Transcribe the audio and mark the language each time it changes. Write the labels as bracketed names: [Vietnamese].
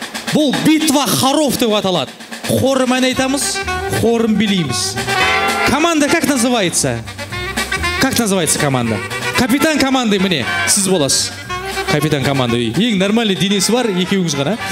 [Kazakh] Бұл [Russian] битва хоров [Kazakh] деп аталады. Хорым ән айтамыз, хорым билейміз. [Russian] Команда как называется? Как называется команда? Капитан команды [Kazakh] міне, сіз боласыз. [Russian] Капитан команды. [Kazakh] Ең нормальный денесі бар, екеуіңіз ғана.